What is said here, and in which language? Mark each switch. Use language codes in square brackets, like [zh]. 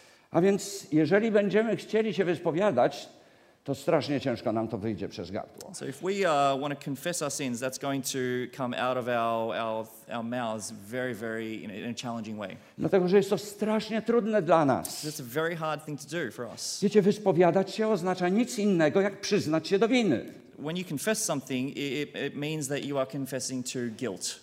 [pl] A więc jeżeli będziemy chcieli się wyspowiadać, to strasznie ciężko nam to wyjdzie przez gardło. [en] So if we want to confess our sins, that's going to come out of our mouths very, very in a challenging way. [pl] Dlatego, że jest to strasznie trudne dla nas. [en] So it's a very hard thing to do for us. [pl] Wiecie, wyspowiadać się oznacza nic innego, jak przyznać się do winy. [en] When you confess something, it means that you are confessing to guilt.